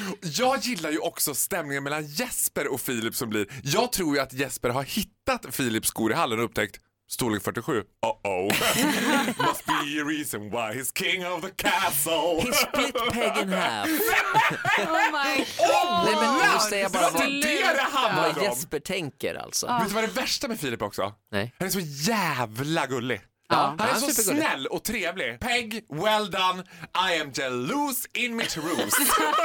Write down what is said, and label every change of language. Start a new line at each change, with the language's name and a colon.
Swedish: Jag gillar ju också stämningen mellan Jesper och Filip som blir. Jag tror ju att Jesper har hittat Filips skor i hallen och upptäckt storlek 47. Uh-oh.
English: Must be a reason why he's king of the castle. He split peg in half. Oh my god.
Swedish: Nej, men nu säger jag bara vad Jesper tänker alltså. Vet du vad det värsta med Filip också? Nej. Han är så jävla gullig. Ja, han är så snäll och trevlig.
English: Peg, well done. I am jealous in my truth.